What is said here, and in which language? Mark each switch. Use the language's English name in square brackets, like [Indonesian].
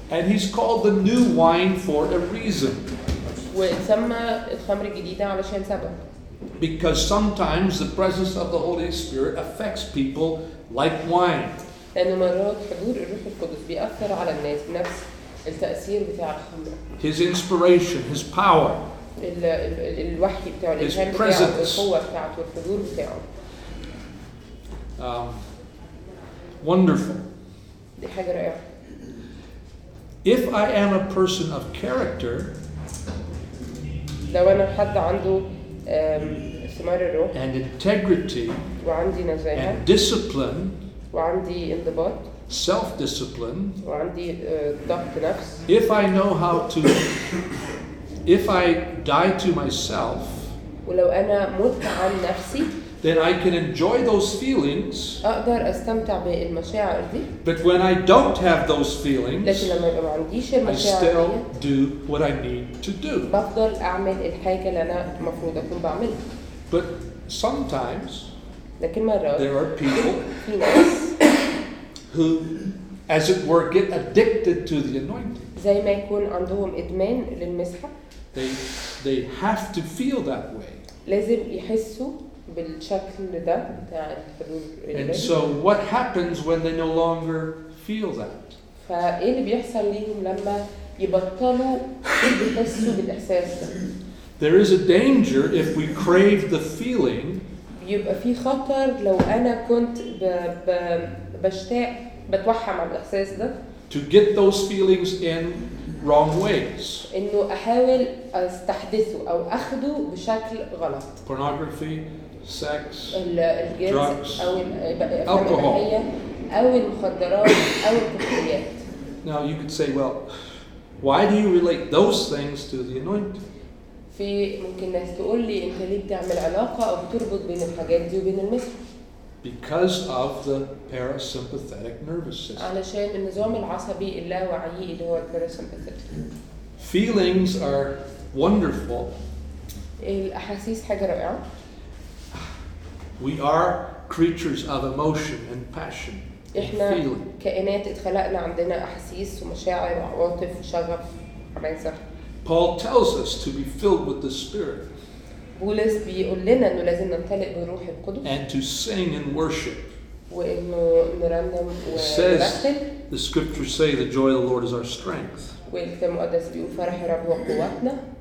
[English] And he's called the new wine for a reason. [Arabic] واتسمى الخمر الجديدة علشان سبب. [English] Because sometimes the presence of the Holy Spirit affects people like wine. [Arabic] لأن مرات حضور الروح القدس بيأثر على الناس بنفس التأثير بتاع الخمر. [English] His inspiration, his power. [Arabic] الوحي بتاعه, الإلهام بتاعه, القوة بتاعته, الحضور بتاعه. [English] Wonderful. [Arabic] دي حاجة رائعة. [English] If I am a person of character, [Arabic] لو أنا حد عنده ثمار الروح, [English] and integrity, [Arabic] وعندي نزاهة, [English] and discipline, [Arabic] وعندي انضباط, [English] self-discipline, [Arabic] وعندي ضبط نفس, [English] if I know how to, if I die to myself, [Arabic] ولو أنا مت عن نفسي, [English] then I can enjoy those feelings. [Arabic] أقدر أستمتع بالمشاعر دي. [English] But when I don't have those feelings, [Arabic] لكن لما يبقى ما عنديش المشاعر, [English] I still do what I need to do. [Arabic] بفضل أعمل الحاجة اللي أنا مفروض أكون بعملها. [English] But sometimes, [Arabic] لكن مرات, [English] there are people [Arabic] ناس, [English] who, as it were, get addicted to the anointing. [Arabic] زي ما يكون عندهم إدمان للمسحة. [English] They have to feel that way. [Arabic] لازم يحسوا بالشكل ده بتاع الحضور. [English] And so what happens when they no longer feel that? [Arabic] فايه اللي بيحصل ليهم لما يبطلوا يحسوا بالاحساس ده؟ [English] There is a danger if we crave the feeling. [Arabic] يبقى في خطر لو انا كنت بشتاق بتوحم على الاحساس ده. [English] To get those feelings in wrong ways. [Arabic] انه احاول استحدثه او اخده بشكل غلط. [English] Pornography, sex, drugs, alcohol, [Arabic] أو المخدرات أو الكحوليات. [English] Now you could say, well, why do you relate those things to the anointing? [Arabic] في ممكن ناس تقول لي أنت ليه بتعمل علاقة أو بتربط بين الحاجات دي وبين المسح؟ [English] Because of the parasympathetic nervous system. [Arabic] علشان النظام العصبي اللاواعي اللي هو parasympathetic. [English] Feelings are wonderful. [Arabic] الأحاسيس حاجة رائعة. [English] We are creatures of emotion and passion [Arabic] احنا [English] and feeling. [Arabic] كائنات اتخلقنا عندنا احاسيس ومشاعر وعواطف وشغف. [English] Paul tells us to be filled with the Spirit. [Arabic] بولس بيقول لنا انه لازم نمتلئ بالروح القدس. [English] And to sing and worship. [Arabic] وانه نرنم ونرنم. [English] Says the scriptures say the joy of the Lord is our strength. [Arabic] والكتاب المقدس بيقول فرح الرب هو قوتنا.